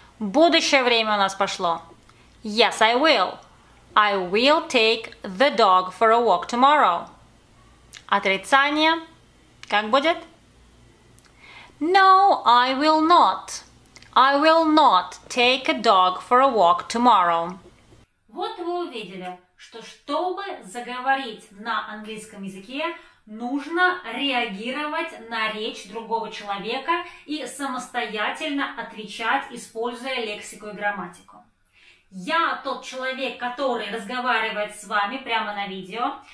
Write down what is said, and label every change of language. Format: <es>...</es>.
<ru>Будущее время у нас пошло.</ru> <en>Yes, I will. I will take the dog for a walk tomorrow.</en> <ru>Отрицание. Как будет?</ru> <en>No, I will not. I will not take a dog for a walk tomorrow.</en> <ru>Вот вы увидели, что чтобы заговорить на английском языке, нужно реагировать на речь другого человека и самостоятельно отвечать, используя лексику и грамматику. Я тот человек, который разговаривает с вами прямо на видео.</ru>